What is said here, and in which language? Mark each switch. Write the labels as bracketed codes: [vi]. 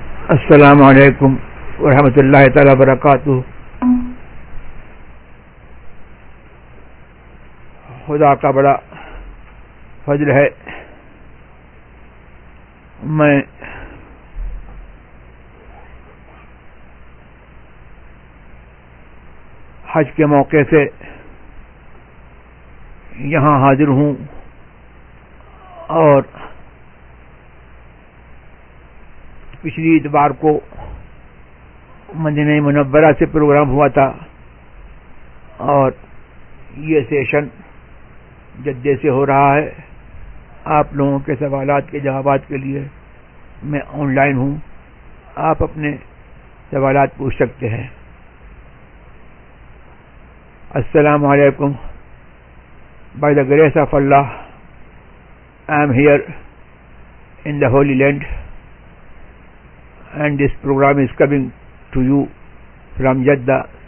[ar] السلام عليكم ورحمة الله تعالى وبركاته. [ur] خدا کا بڑا فضل ہے، میں حج کے موقع سے یہاں حاضر ہوں اور پچھلی اتوار کو مدینہ منورہ سے پروگرام ہوا تھا اور یہ سیشن جدے سے ہو رہا ہے. آپ لوگوں کے سوالات کے جوابات کے لیے میں آن لائن ہوں، آپ اپنے سوالات پوچھ سکتے ہیں. [ar] السلام علیکم. [en] By the grace of Allah, I am here in the Holy Land and this program is coming to you from Jeddah.